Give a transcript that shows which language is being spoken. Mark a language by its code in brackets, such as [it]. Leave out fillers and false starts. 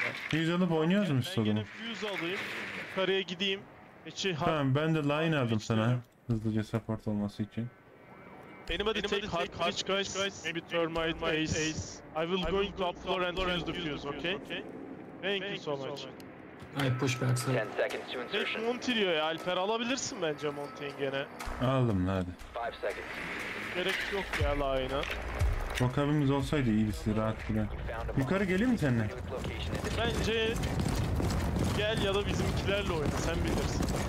[tr] Fuse alıp oynuyoruz mu stodunu? Ben yine Fuse alayım. Yukarıya gideyim. Tamam, ben de line aldım sana. Hızlıca support olması için. [en] Anybody take hard pitch guys? Maybe termite ace. I will going to up floor and use the Fuse, okay? Thank you so much. I push back so. 10 seconds to insertion. [tr] Monty diyor ya, Alper alabilirsin bence Monty'in gene. Aldım hadi. 5 seconds. Gerek yok ya line'a. Makarımız olsaydı iyisi rahat gider. Yukarı geleyim mi seninle? Bence gel ya da bizimkilerle oyna, sen bilirsin.